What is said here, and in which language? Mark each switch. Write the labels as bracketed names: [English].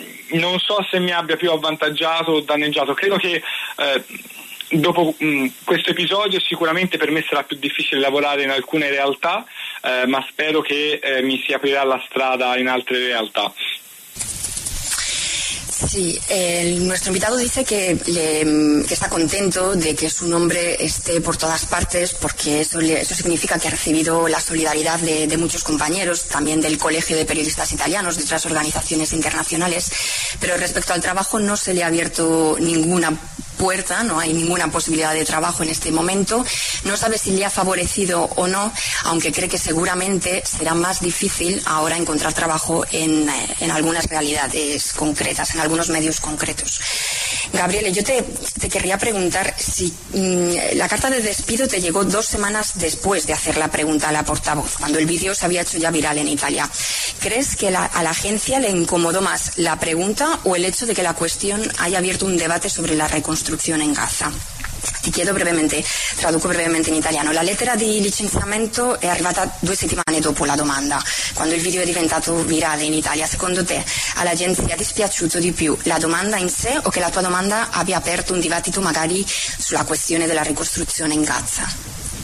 [Italian] Non so se mi abbia più avvantaggiato o danneggiato. Credo che dopo questo episodio sicuramente per me sarà più difficile lavorare in alcune realtà, ma spero che mi si aprirà la strada in altre realtà. [Spanish] Sí, nuestro invitado dice que está contento de que su nombre esté por todas partes, porque eso significa que ha recibido la solidaridad de muchos compañeros, también del Colegio de Periodistas Italianos, de otras organizaciones internacionales, pero respecto al trabajo no se le ha abierto ninguna puerta, no hay ninguna posibilidad de trabajo en este momento. No sabe si le ha favorecido o no, aunque cree que seguramente será más difícil ahora encontrar trabajo en algunas realidades concretas, en algunos medios concretos. Gabriele, yo te querría preguntar si la carta de despido te llegó 2 semanas después de hacer la pregunta a la portavoz, cuando el vídeo se había hecho ya viral en Italia. ¿Crees que a la agencia le incomodó más la pregunta o el hecho de que la cuestión haya abierto un debate sobre la reconstrucción en Gaza? [Italian] Ti chiedo brevemente, traduco brevemente in italiano. La lettera di licenziamento è arrivata 2 settimane dopo la domanda, quando il video è diventato virale in Italia. Secondo te, all'agenzia è dispiaciuto di più la domanda in sé o che la tua domanda abbia aperto un dibattito magari sulla questione della ricostruzione in Gaza?